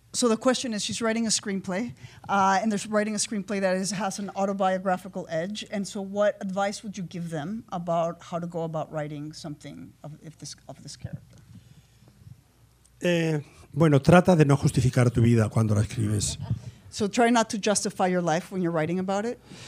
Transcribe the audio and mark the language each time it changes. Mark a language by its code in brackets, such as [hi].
[en] So the question is, she's writing a screenplay, and they're writing a screenplay that has an autobiographical edge. And so what advice would you give them about how to go about writing something of this character? [es] Bueno, trata de no justificar tu vida cuando la escribes. [en] So try not to justify your life when you're writing about it.